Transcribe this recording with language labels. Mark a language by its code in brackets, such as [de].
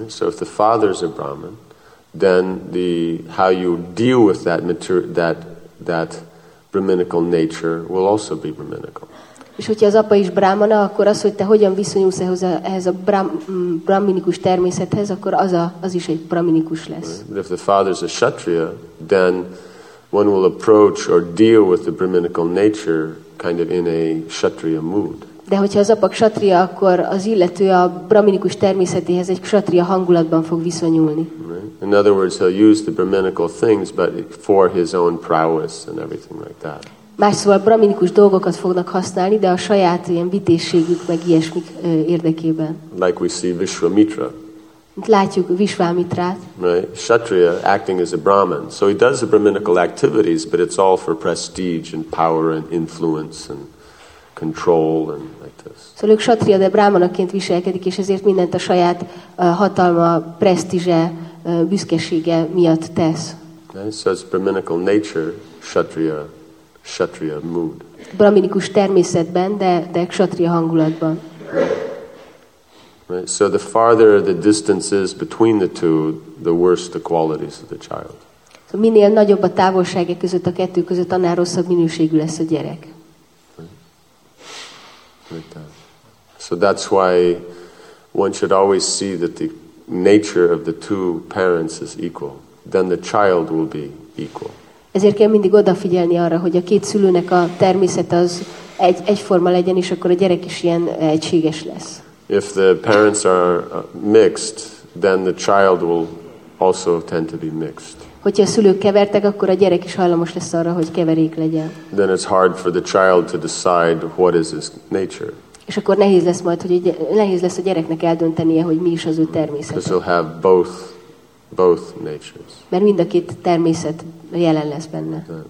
[en] So if the father is a Brahman, then the how you deal with that that brahminical nature will also be brahminical. [hu] És hogyha az apa is brahmana, akkor az, hogy te hogyan viszonyulsz ehhez a brahminikus természethez, akkor az is egy brahminikus lesz. [en] But if the father is a kshatriya, then one will approach or deal with the brahminical nature kind of in a kshatriya mood. [hu] De hogyha az apa kshatriya, akkor az illető a brahminikus természetéhez egy kshatriya hangulatban fog viszonyulni. [en] Right. In other words, he'll use the brahminical things, but for his own prowess and everything like that. [hu] Más szóval brahminikus dolgokat fognak használni, de a saját ilyen vitézségük meg ilyesmik érdekében. [en] Like we see Vishwamitra. [hu] Látjuk Vishvamitrát. [en] Right. Kshatriya acting as a Brahmin. So he does the Brahminical activities, but it's all for prestige and power and influence and control and like this. [hu] Szóval ő Kshatriya, de Brahmanaként viselkedik, és ezért mindent a saját hatalma, presztízse, büszkesége miatt tesz. [en] Right. So it's Brahminical nature, Kshatriya mood. [hu] Brahminikus természetben, de Kshatriya hangulatban. [en] Right. So the farther the distance is between the two, the worse the qualities of the child. [hu] So minél nagyobb a távolság között a kettő között, annál rosszabb minőségű lesz a gyerek. [en] Right. Right. So that's why one should always see that the nature of the two parents is equal. Then the child will be equal. [hu] Ezért kell mindig odafigyelni arra, hogy a két szülőnek a természet az egyforma legyen, és akkor a gyerek is ilyen egységes lesz. [en] If the parents are mixed, then the child will also tend to be mixed. [hu] Hogyha a szülők kevertek, akkor a gyerek is hajlamos lesz arra, hogy keverék legyen. [en] Then it's hard for the child to decide what is his nature. [hu] És akkor nehéz lesz majd, hogy nehéz lesz a gyereknek eldöntenie, hogy mi is az ő természete. [en] Because he'll have both natures. [hu] Mert mind a két természet jelen lesz benne.